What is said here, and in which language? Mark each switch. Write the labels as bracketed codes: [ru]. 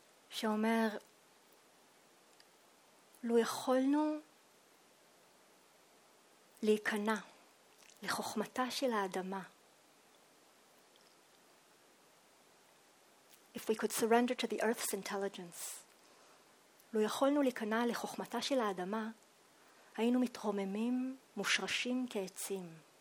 [he] שאומר, לו יכולנו להיכנע לחוכמתה של האדמה. [en] If we could surrender to the earth's intelligence. [he] לו יכולנו להיכנע לחוכמתה של האדמה, היינו מתרוממים, מושרשים כעצים.